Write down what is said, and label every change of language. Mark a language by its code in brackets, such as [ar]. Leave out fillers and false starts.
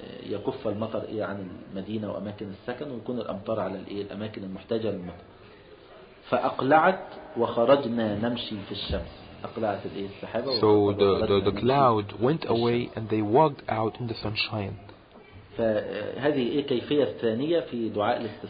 [ar] يكف المطر إيه عن المدينة وأماكن السكن، ويكون الأمطار على الإيه الأماكن المحتاجة للمطر. فأقلعت وخرجنا نمشي في الشمس. أقلعت الإيه السحابة. [en] So the cloud went away and they walked out in the sunshine. [ar] فهذه إيه كيفية ثانية في دعاء الاستسقاء.